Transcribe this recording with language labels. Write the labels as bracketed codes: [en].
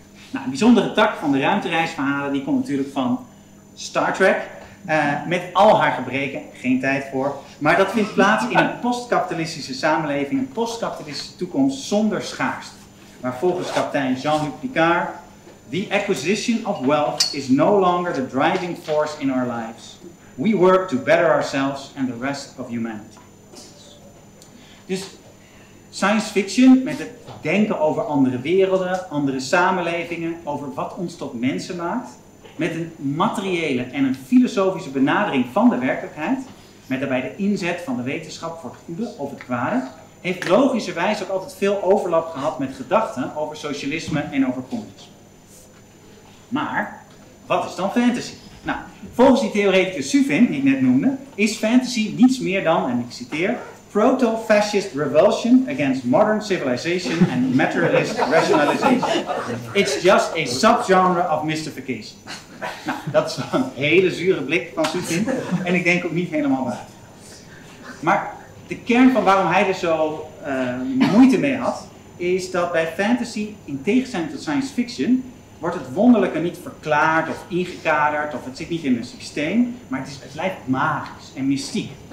[nl] Nou, een bijzondere tak van de ruimtereisverhalen die komt natuurlijk van Star Trek, met al haar gebreken, geen tijd voor, maar dat vindt plaats in een postkapitalistische samenleving, een postkapitalistische toekomst zonder schaarste, waar volgens kapitein Jean-Luc Picard, [en] "The acquisition of wealth is no longer the driving force in our lives. We work to better ourselves and the rest of humanity." [nl] Dus science fiction met het denken over andere werelden, andere samenlevingen, over wat ons tot mensen maakt, met een materiële en een filosofische benadering van de werkelijkheid, met daarbij de inzet van de wetenschap voor het goede of het kwade, heeft logischerwijs ook altijd veel overlap gehad met gedachten over socialisme en over communisme. Maar, wat is dan fantasy? Nou, volgens die theoreticus Suvin, die ik net noemde, is fantasy niets meer dan, en ik citeer, [en] proto-fascist revulsion against modern civilization and materialist rationalization. It's just a subgenre of mystification. [nl] Nou, dat is een hele zure blik van Suvin. En ik denk ook niet helemaal waar. Maar de kern van waarom hij er zo moeite mee had, is dat bij fantasy, in tegenstelling tot science fiction, wordt het wonderlijke niet verklaard of ingekaderd, of het zit niet in een systeem, maar het lijkt magisch en mystiek.